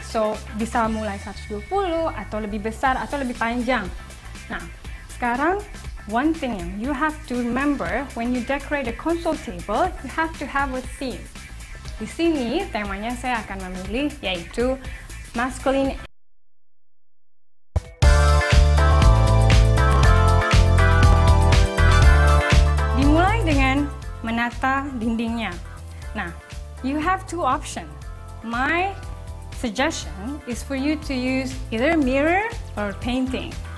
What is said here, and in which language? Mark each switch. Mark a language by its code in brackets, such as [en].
[id] So, bisa mulai 120 atau lebih besar atau lebih panjang. Nah, sekarang [en] one thing you have to remember when you decorate a console table, you have to have a theme. [id] Di sini temanya saya akan memilih yaitu masculine. Dimulai dengan menata dindingnya. [en] Nah, you have two options. My suggestion is for you to use either mirror or painting.